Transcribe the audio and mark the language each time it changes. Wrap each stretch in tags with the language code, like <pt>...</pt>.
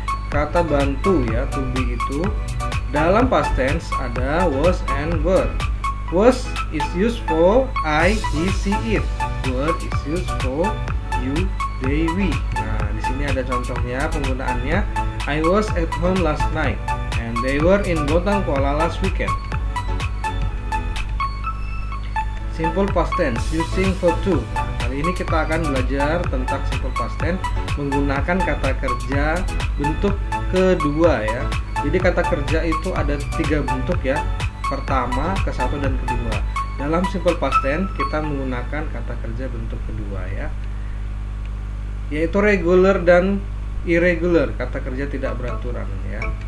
<id>Kata bantu ya, to be itu. Dalam past tense ada</id> <en>was and were. Was is used for I, he, she, it. Were is used for you, they, we.</en> <id>Nah, di sini ada contohnya penggunaannya.</id> <en>I was at home last night and they were in Batangkola last weekend. Simple past tense using verb 2.</en> <id>Kali ini kita akan belajar tentang simple past tense menggunakan kata kerja bentuk kedua ya. Jadi kata kerja itu ada 3 bentuk ya. Pertama, kesatu, dan kedua. Dalam simple past tense kita menggunakan kata kerja bentuk kedua ya, yaitu regular dan irregular, kata kerja tidak beraturan ya.</id>